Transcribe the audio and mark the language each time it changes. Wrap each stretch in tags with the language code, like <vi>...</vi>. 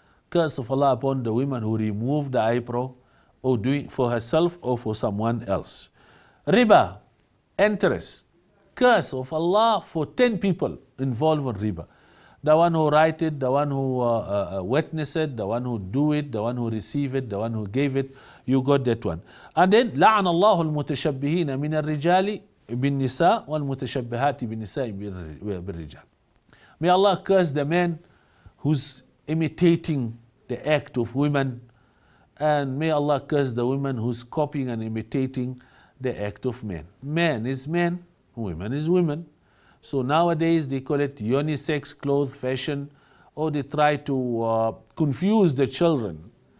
<en>Curse of Allah upon the woman who removed the eyebrow or doing for herself or for someone else. Riba, interest. Curse of Allah for 10 people involved in riba. The one who write it, the one who witnessed it, the one who do it, the one who receive it, the one who gave it. You got that one. And then,</en> <ar>لَعَنَ اللَّهُ الْمُتَشَبِّهِينَ مِنَ الرِّجَالِ بِالنِّسَاءِ وَالْمُتَشَبِّهَاتِ بِالنِّسَاءِ بِالرِّجَالِ.</ar> <en>May Allah curse the man who's imitating the act of women, and may Allah curse the woman who's copying and imitating the act of men. Man is man, woman is woman. So nowadays they call it unisex clothes fashion, or they try to confuse the children.</en>